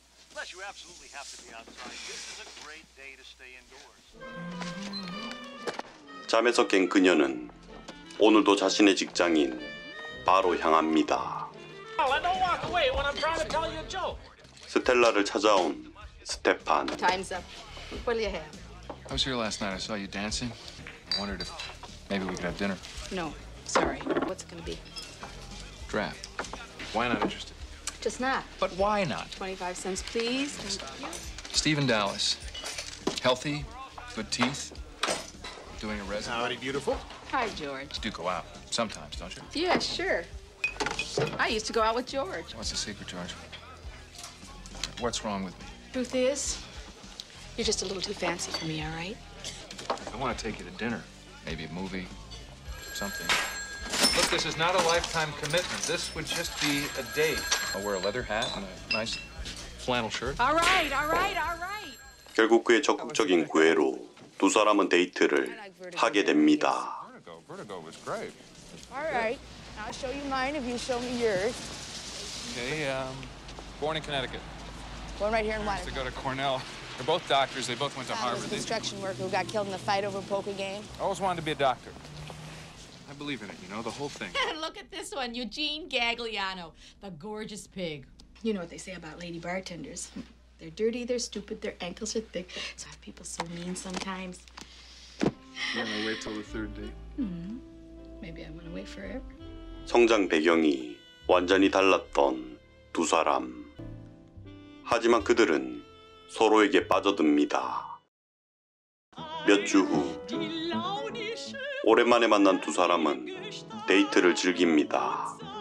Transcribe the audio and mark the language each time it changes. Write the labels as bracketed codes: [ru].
[en] Unless you absolutely have to be outside, this is a great day to stay indoors. [ko] 잠에서 깬 그녀는 오늘도 자신의 직장인 바로 향합니다. [en] Well, I don't walk away when I'm trying to tell you a joke. [ko] 스텔라를 찾아온 스테판. [en] Time's up. What do you have? I was here last night. I saw you dancing. I wondered if maybe we could have dinner. No, sorry. What's it gonna be? Draft. Why not interested? Just not. But why not? 25 cents, please. Stephen Dallas. Healthy, good teeth, doing a resume. Howdy, beautiful. Hi, George. You do go out sometimes, don't you? Yeah, sure. I used to go out with George. What's the secret, George? What's wrong with me? Truth is, you're just a little too fancy for me, all right? I want to take you to dinner. Maybe a movie, something. Look, this is not a lifetime commitment. This would just be a date. I'll wear a leather hat and a nice flannel shirt. All right, all right, all right. [ko] 결국 그의 적극적인 구애로 두 사람은 데이트를 하게 됩니다. [en] Vertigo was great. All right, I'll show you mine if you show me yours. Okay, born in Connecticut. Born right here in Washington. They go to Cornell. They're both doctors. They both went to Harvard. I was a construction worker who got killed in the fight over a poker game. I always wanted to be a doctor. I believe in it, you know, the whole thing. Look at this one, Eugene Gagliano, the gorgeous pig. You know what they say about lady bartenders. They're dirty, they're stupid, their ankles are thick. That's why people so mean sometimes. You want to wait till the third date? Maybe I want to wait forever. [ko] 성장 배경이 완전히 달랐던 두 사람. 하지만 그들은 서로에게 빠져듭니다. 몇 주 후. 오랜만에 만난 두 사람은 데이트를 즐깁니다.